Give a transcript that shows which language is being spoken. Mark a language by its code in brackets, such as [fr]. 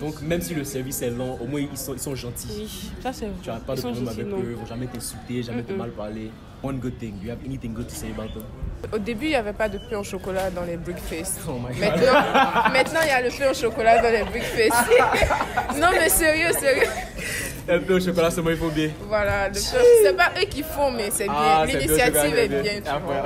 [fr] Donc même si le service est lent, au moins ils sont gentils. Oui, ça c'est vrai. Tu n'as pas de problème avec eux, ils ne vont jamais t'insulter, jamais te mal parler. [en] One good thing, do you have anything good to say about them? [fr] Au début, il n'y avait pas de pain au chocolat dans les breakfasts. [en] Oh my god. [fr] Maintenant, il y a le pain au chocolat dans les breakfasts. Non mais sérieux. Le pain au chocolat, c'est moi, il faut bien. Voilà, c'est pas eux qui font, mais c'est bien. L'initiative est bien.